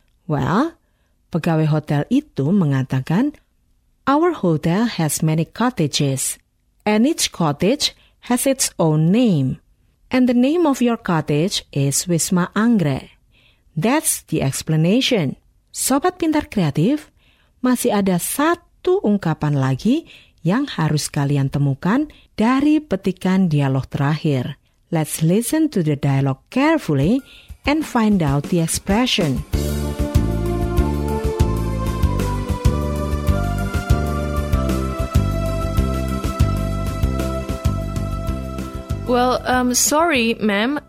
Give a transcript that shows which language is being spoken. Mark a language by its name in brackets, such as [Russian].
[English] Well, [Indonesian] pegawai hotel itu mengatakan, [English] "Our hotel has many cottages, and each cottage has its own name, and the name of your cottage is Wisma Anggrek." That's the explanation. [Indonesian] Sobat Pintar Kreatif, masih ada satu ungkapan lagi yang harus kalian temukan dari petikan dialog terakhir. [English] Let's listen to the dialogue carefully and find out the expression. Well, sorry, ma'am.